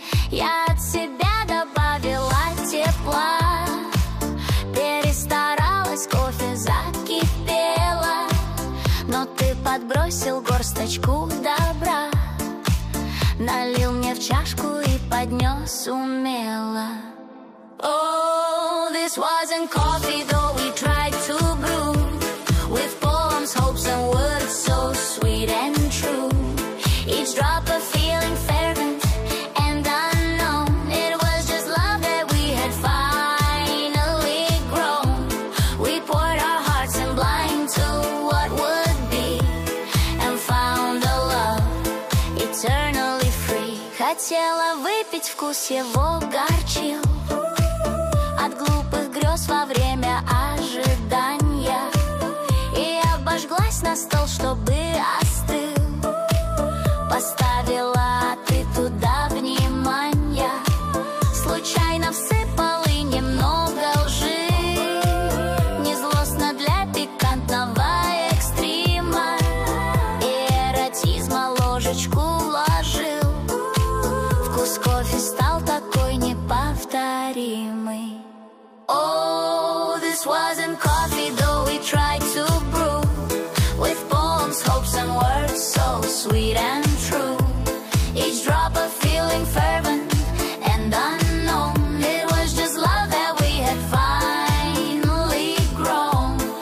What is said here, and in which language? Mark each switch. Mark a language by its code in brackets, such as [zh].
[ru] Я от себя добавила тепла, перестаралась, кофе закипело, но ты подбросил горсточку добра, налил мне в чашку и поднес умело. [en] Oh, this wasn't coffee, though we tried to brew, with poems, hopes and words so sweet and true. Each drop of feeling fervent and unknown, it was just love that we had finally grown. We poured our hearts and blind to what would be, and found a love eternal. [ru] Хотела выпить вкус его горчил, от глупых грез во время ожидания, и обожглась на стол, чтобы остыл, поставила ты туда внимание, случайно всыпал и немного лжи, не злостно для пикантного экстрима, и эротизма ложечку вложил. Кофе стал такой неповторимый. [en] Oh, this wasn't coffee, though we tried to brew, with poems, hopes and words so sweet and true. Each drop of feeling fervent and unknown, it was just love that we had finally grown.